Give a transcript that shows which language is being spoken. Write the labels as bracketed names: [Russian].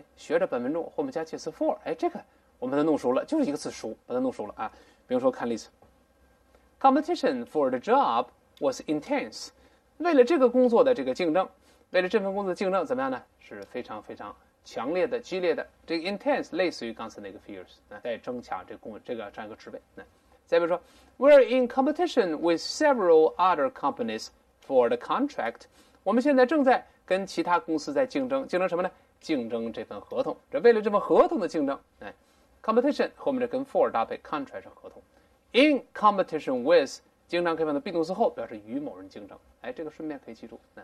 [Chinese] 学着本文中后面加介词 for， 这个我们都弄熟了，就是一个词熟，把它弄熟了啊。比如说看例子 ， [English] competition for the job was intense。 [Chinese] 为了这个工作的这个竞争，为了这份工作的竞争怎么样呢？是非常非常强烈的、激烈的。这个 intense 类似于刚才那个 fierce， 在争抢这样一个职位。再比如说 [English] ，We're in competition with several other companies for the contract。 [Chinese] 我们现在正在跟其他公司在竞争，竞争什么呢？竞争这份合同。这为了这份合同的竞争，competition 后面这跟 for 搭配 ，contract 是合同。 [English] In competition with， [Chinese] 经常可以放到 be 动词后，表示与某人竞争。这个顺便可以记住。